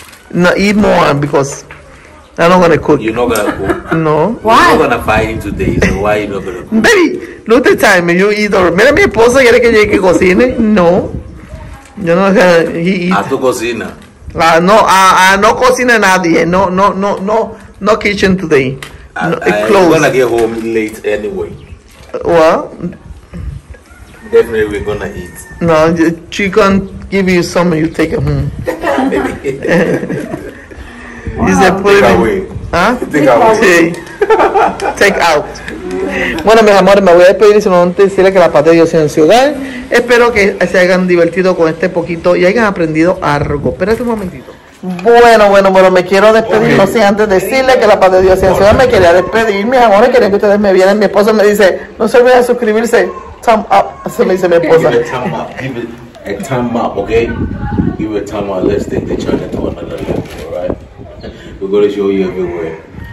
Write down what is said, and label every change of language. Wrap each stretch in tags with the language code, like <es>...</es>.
<en>No, eat more because I'm not gonna cook. You're not gonna cook. No. Why? You're not gonna fight today. So why you're not gonna cook? Baby, look the time. You either.</en> <es>Mira, mi esposo quiere que llegue que cocine. No. Yo no.</es> <en>He eat.</en> <es>A tu cocina. No cocina nadie.</es> <en>No kitchen today. I'm gonna get home late anyway. What? Definitely we're gonna eat. No, she can give you some. You take it home. Maybe. Is wow. Take away. Huh? Take away. Take out.</en> <es>Bueno, mis amores, me voy a despedir, sino antes decirles que la paz de Dios sea en su hogar. Espero que se hayan divertido con este poquito y hayan aprendido algo. Espérate un momentito. Bueno, me quiero despedir, no sé, antes decirles que la paz de Dios sea en su hogar. Me quería despedir, mis amores, quería que ustedes me vieran. Mi esposa me dice, no se olviden de suscribirse.</es> <en>Thumb up,</en> <es>así me dice mi esposa.</es> <en>Give it a thumb up, ok? Give it a thumb up, let's take the channel to another level, alright? We're going to show you everywhere.</en>